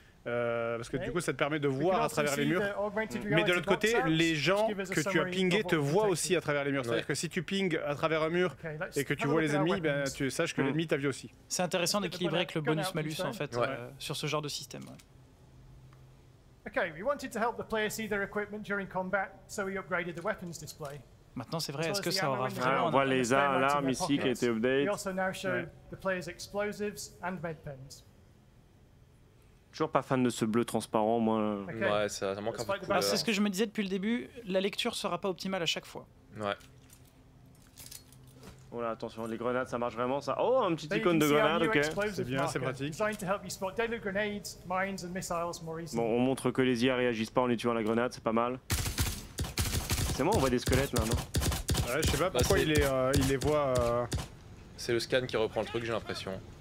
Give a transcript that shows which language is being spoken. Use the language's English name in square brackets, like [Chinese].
[French] Parce que du coup ça te permet de voir à travers les murs, mais de l'autre côté les gens que tu as pingés te voient aussi à travers les murs, c'est-à-dire que si tu pinges à travers un mur et que tu vois les ennemis, ben tu saches que l'ennemi t'a vu aussi. C'est intéressant d'équilibrer avec le bonus malus en fait sur ce genre de système. [English] Okay, we wanted to help the player see their equipment during combat, so we upgraded the weapons display. [French] Maintenant, c'est vrai, est-ce que ça aura vraiment... On voit les armes ici qui étaient update. [English] We also now show the player's explosives and med pens. [French] Toujours pas fan de ce bleu transparent, moi. Okay. Ouais, ça manque un peu de couleur. C'est ce que je me disais depuis le début, la lecture sera pas optimale à chaque fois. Ouais. Oh là, attention, les grenades, ça marche vraiment, ça. Oh, un petit icône de grenade, ok. C'est bien, c'est pratique. [English] Designed to help you spot deadly grenades, mines and missiles more easily. [French] Bon, on montre que les IA réagissent pas en les tuant la grenade, c'est pas mal. C'est moi, on voit des squelettes maintenant. Ouais, je sais pas pourquoi il les voit. C'est le scan qui reprend le truc, j'ai l'impression.